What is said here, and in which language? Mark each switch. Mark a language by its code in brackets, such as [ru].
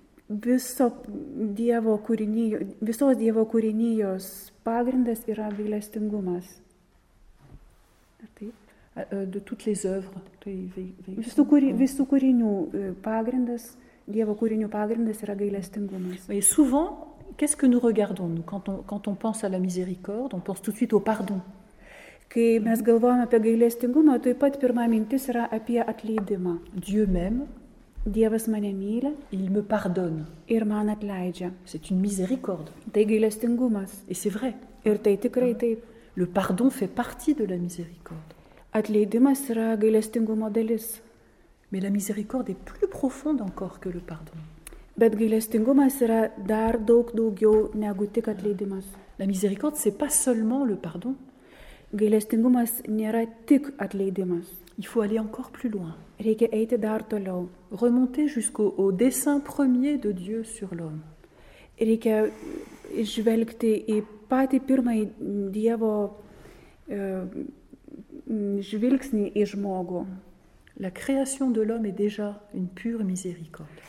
[lt] Visos Dievo kūrinijos pagrindas yra gailestingumas. [fr] De toutes les œuvres. [lt] Visų kūrinių pagrindas, Dievo kūrinių pagrindas yra gailestingumas. [fr] Et souvent, qu'est-ce que nous regardons, nous, quand on pense à la miséricorde, on pense tout de suite au pardon. [lt] Kai mes galvojame apie gailestingumą, taip pat pirma mintis yra apie atleidimą. [fr] Dieu m'aime. [lt] Dievas mane myli. [fr] Il me pardonne. [lt] Ir man atleidžia. [fr] C'est une miséricorde. [lt] Tai gailestingumas. [fr] Et c'est vrai. [lt] Ir tai tikrai taip. [fr] Le pardon fait partie de la miséricorde. [lt] Atleidimas yra gailestingumo dalis. [fr] Mais la miséricorde est plus profonde encore que le pardon. [lt] Bet gailestingumas yra dar daug daugiau negu tik atleidimas. [fr] La miséricorde, c'est pas seulement le pardon. [lt] Gailestingumas nėra tik atleidimas. [fr] Il faut aller encore plus loin. [lt] Reikia eiti dar toliau. [fr] Remonter jusqu'au dessein premier de Dieu sur l'homme. [lt] Reikia žvelgti į patį pirmąjį Dievo žvilgsnį į žmogų. [fr] La création de l'homme est déjà une pure miséricorde.